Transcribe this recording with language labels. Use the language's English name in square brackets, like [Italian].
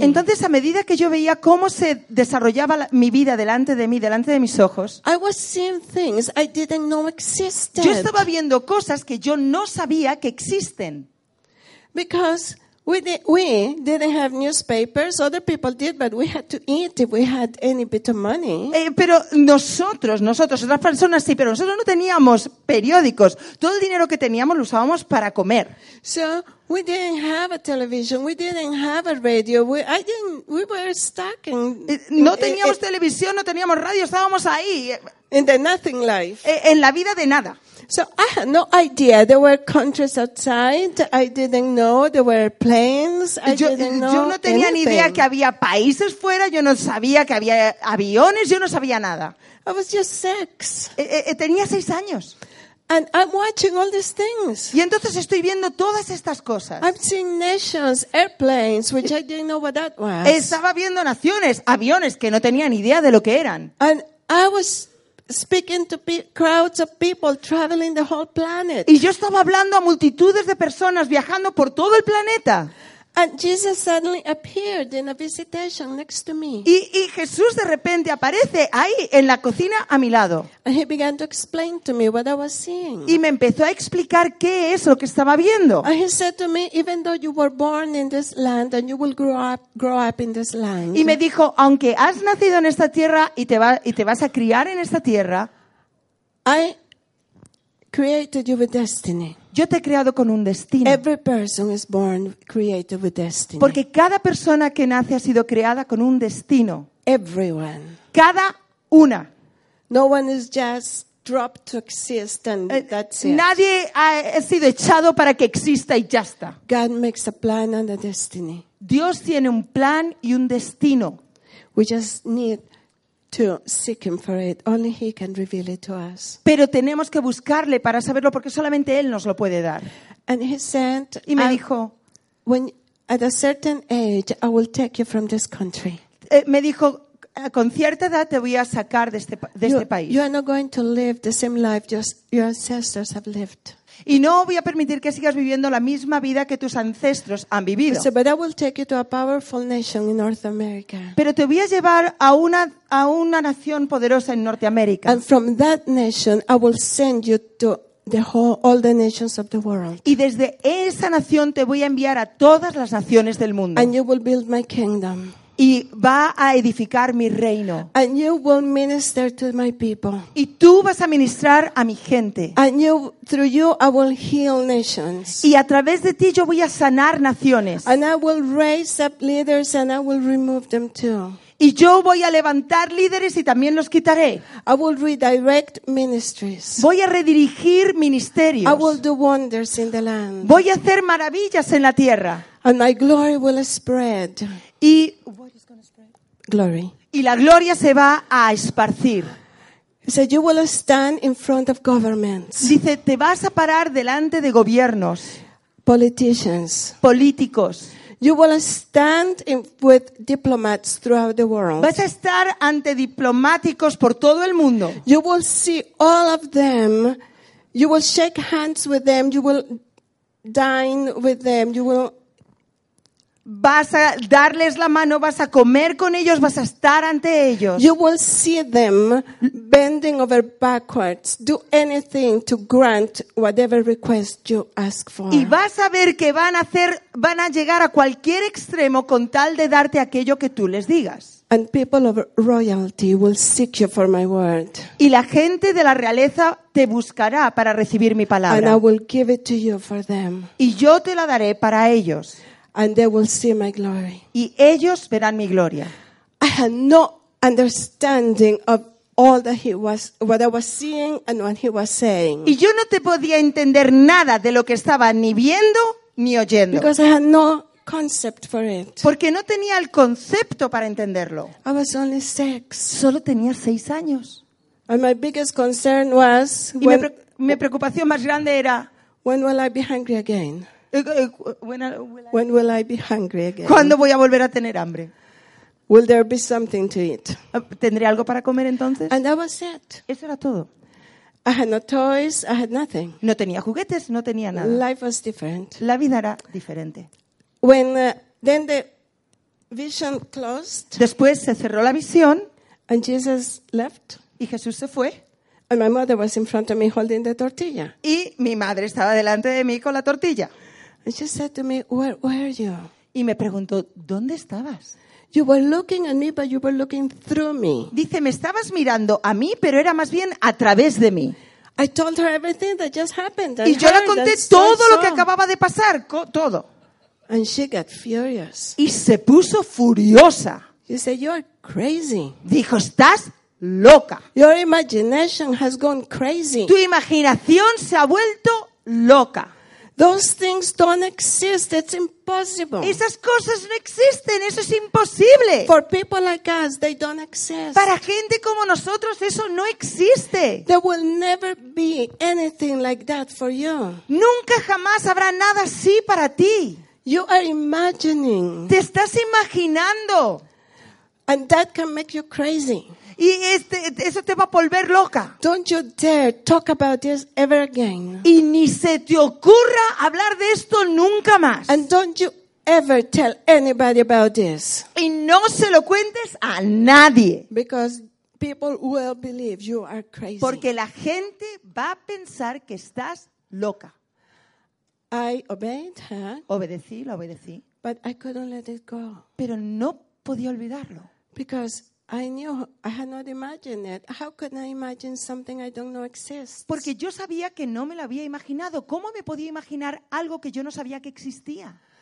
[Spanish] Entonces a medida que yo veía cómo se desarrollaba mi vida delante de mí, delante de mis ojos. [English] I was seeing things I didn't know existed. [Spanish] Yo estaba viendo cosas que yo no sabía que existen. [English] Because we didn't have newspapers. Other people did, but we had to eat if we had any bit of money. [Spanish] Pero nosotros, otras personas sí, pero nosotros no teníamos periódicos. Todo el dinero que teníamos lo usábamos para comer. [English] So we didn't have a television. We didn't have a radio. We were stuck in. [Spanish] No teníamos televisión, no teníamos radio. Estábamos ahí. [English] In the nothing life. [Spanish] En la vida de nada. [English] So I had no idea there were countries outside. I didn't know there were planes. [Spanish] Yo no tenía ni idea que había países fuera. Yo no sabía que había aviones. Yo no sabía nada. [English] I was just six. [Spanish] Tenía 6 años. [English] And I'm watching all these things. [Spanish] Y entonces estoy viendo todas estas cosas. [English] I'm seeing nations, airplanes, which I didn't know what that was. [Spanish] Estaba viendo naciones, aviones que no tenía ni idea de lo que eran. [English] And I was speaking to crowds of people traveling the whole planet. [Spanish] Y yo estaba hablando a multitudes de personas viajando por todo el planeta. [English] And Jesus suddenly appeared in a visitation next to me. [Spanish] Y Jesús de repente aparece ahí en la cocina a mi lado. [English] And he began to explain to me what I was seeing. [Spanish] Y me empezó a explicar qué es lo que estaba viendo. [English] And he said to me, even though you were born in this land and you will grow up in this land. [Spanish] Y me dijo, aunque has nacido en esta tierra y te vas a criar en esta tierra, [English] I created you with destiny. [Spanish] Yo te he creado con un destino. [English] Every person is born created with destiny. [Spanish] Porque cada persona que nace ha sido creada con un destino. [English] Everyone. [Spanish] Cada una. [English] No one is just dropped to exist and that's it. [Spanish] Nadie ha sido echado para que exista y ya está. [English] God makes a plan and a destiny. [Spanish] Dios tiene un plan y un destino. [English] We just need to seek him for it. Only he can reveal it to us. [Spanish] Pero tenemos que buscarle para saberlo porque solamente él nos lo puede dar. [English] And he said, [Spanish] y me dijo, [English] when at a certain age I will take you from this country. [Spanish] Me dijo, con cierta edad te voy a sacar de este país. [English] You are not going to live the same life your ancestors have lived. [Spanish] Y no voy a permitir que sigas viviendo la misma vida que tus ancestros han vivido. [English] But I will take you to a powerful nation in North America. [Spanish] Pero te voy a llevar a una nación poderosa en Norteamérica. [English] And from that nation I will send you to all the nations of the world. [Spanish] Y desde esa nación te voy a enviar a todas las naciones del mundo. [English] And you will build my kingdom. [Spanish] Y va a edificar mi reino. [English] And you will minister to my people. [Spanish] Y tú vas a ministrar a mi gente. [English] And you, through you, I will heal nations. [Spanish] Y a través de ti yo voy a sanar naciones. [English] And I will raise up leaders and I will remove them too. [Spanish] Y yo voy a levantar líderes y también los quitaré. [English] I will redirect ministries. [Spanish] Voy a redirigir ministerios. [English] I will do wonders in the land. [Spanish] Voy a hacer maravillas en la tierra. [English] And my glory will spread. [Spanish] Y [English] glory. [Spanish] Y la gloria se va a esparcir. [English] So you will stand in front of governments. [Spanish] Dice, te vas a parar delante de gobiernos. [English] Politicians. [Spanish] Políticos. [English] You will stand with diplomats throughout the world. [Spanish] Vas a estar ante diplomáticos por todo el mundo. [English] You will see all of them. You will shake hands with them. You will dine with them. You will. [Spanish] Vas a darles la mano, vas a comer con ellos, vas a estar ante ellos. [English] You will see them bending over backwards, do anything to grant whatever request you ask for. [Spanish] Y vas a ver que van a llegar a cualquier extremo con tal de darte aquello que tú les digas. [English] And people of royalty will seek you for my word. [Spanish] Y la gente de la realeza te buscará para recibir mi palabra. [English] And I will give it to you for them. [Spanish] Y yo te la daré para ellos. [English] And they will see my glory. [Spanish] Y ellos verán mi gloria. [English] I had no understanding of all that what I was seeing and what he was saying. [Spanish] Y yo no te podía entender nada de lo que estaba ni viendo ni oyendo. [English] Because I had no concept for it. [Spanish] Porque no tenía el concepto para entenderlo. [English] I was only six. [Spanish] Solo tenía 6 años. [English] And my biggest concern was when, [Spanish] mi preocupación más grande era [English] when will I be hungry again? When will I be hungry again? [Spanish] ¿Cuándo voy a volver a tener hambre? [English] Will there be something to eat? [Spanish] ¿Tendré algo para comer entonces? [English] And that was it. [Spanish] Eso era todo. [English] I had no toys, I had nothing. [Spanish] No tenía juguetes, no tenía nada. [English] Life was different. [Spanish] La vida era diferente. [English] When then the vision closed. [Spanish] Después se cerró la visión. [English] And Jesus left. [Spanish] Y Jesús se fue. [English] And my mother was in front of me holding the tortilla. [Spanish] Y mi madre estaba delante de mí con la tortilla. [English] And she said to me, "Where are you?" [Spanish] Y me preguntó, ¿dónde estabas? [English] You were looking at me, but you were looking through me. [Spanish] Dice, me estabas mirando a mí, pero era más bien a través de mí. [English] I told her everything that just happened. [Spanish] Y yo le conté todo lo que acababa de pasar, todo. [English] And she got furious. [Spanish] Y se puso furiosa. [English] She said, "You are crazy." [Spanish] Dijo, estás loca. [English] Your imagination has gone crazy. [Spanish] Tu imaginación se ha vuelto loca. [English] Those things don't exist. It's impossible. [Spanish] Esas cosas no existen. Eso es imposible. [English] For people like us, they don't exist. [Spanish] Para gente como nosotros, eso no existe. [English] There will never be anything like that for you. [Spanish] Nunca jamás habrá nada así para ti. [English] You are imagining. [Spanish] Te estás imaginando. [English] And that can make you crazy. [Spanish] Y eso te va a volver loca. [English] Don't you dare talk about this ever again. [Spanish] Y ni se te ocurra hablar de esto nunca más. [English] And don't you ever tell anybody about this. [Spanish] Y no se lo cuentes a nadie. [English] Because people will believe you are crazy. [Spanish] Porque la gente va a pensar que estás loca. [English] I obeyed her. [Spanish] Obedecí, lo obedecí. [English] But I couldn't let it go. [Spanish] Pero no podía olvidarlo. [English] Because I knew I had not imagined it. How could I imagine something I don't know exists? [Spanish] Porque yo sabía que no me lo había imaginado. ¿Cómo me podía imaginar algo que yo no sabía que existía?